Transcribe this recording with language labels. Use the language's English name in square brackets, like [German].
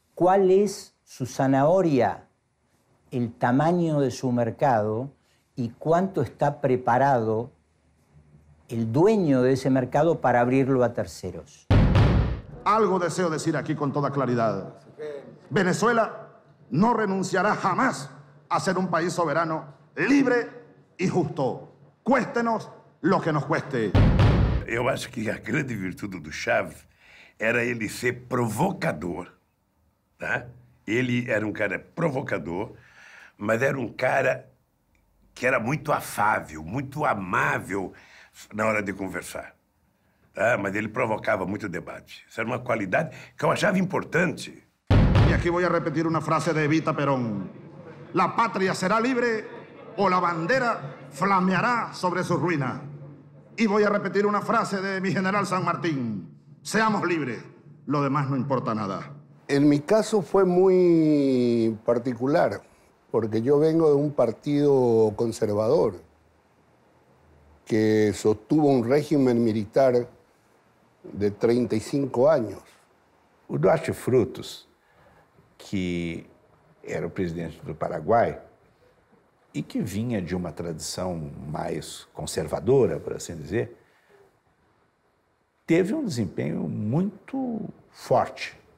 [Spanish] ¿Cuál es su zanahoria, el tamaño de su mercado y cuánto está preparado el dueño de ese mercado para abrirlo a terceros? Algo deseo decir aquí con toda claridad. Venezuela no renunciará jamás a ser un país soberano, libre y justo. Cuéstenos lo que nos cueste. [Portuguese] Eu acho que a grande virtude do Chávez era ele ser provocador, tá? Ele era um cara provocador, mas era um cara que era muito afável, muito amável na hora de conversar. Ah, mas ele provocava muito debate. Isso era uma qualidade que eu achava importante. E aqui vou repetir uma frase de Evita Perón. [Spanish] La patria será libre ou la bandera flameará sobre sus ruinas. [Portuguese] E vou repetir uma frase de [Spanish] mi general [Portuguese] San Martín. [Spanish] Seamos libres, lo demás não importa nada. En mi caso fue muy particular, porque yo vengo de un partido conservador que sostuvo un régimen militar de 35 anos. [Portuguese] O Duarte Frutos, que era o presidente do Paraguai e que vinha de uma tradição mais conservadora, por assim dizer, teve um desempenho muito forte.